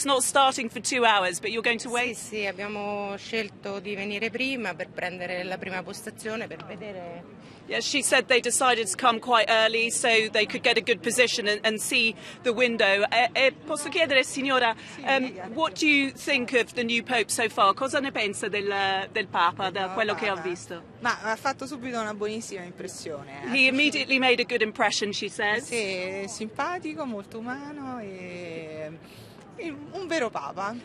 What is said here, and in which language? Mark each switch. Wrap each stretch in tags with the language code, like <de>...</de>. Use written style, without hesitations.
<en>It's not starting for 2 hours, but you're going to wait?</en> <it>Sì, sì, abbiamo scelto di venire prima per prendere la prima postazione, per vedere...</it> <en>Yeah, she said they decided to come quite early so they could get a good position and see the window.</en> <it>Posso chiedere, signora,</it> <en>what do you think of the new Pope so far?</en> <it>Cosa ne pensa del Papa, da quello che ho visto? Ma ha fatto subito una buonissima impressione.</it> <en>He immediately made a good impression, she says.</en> <it>Sì, simpatico, molto umano e... Un vero papa.</it>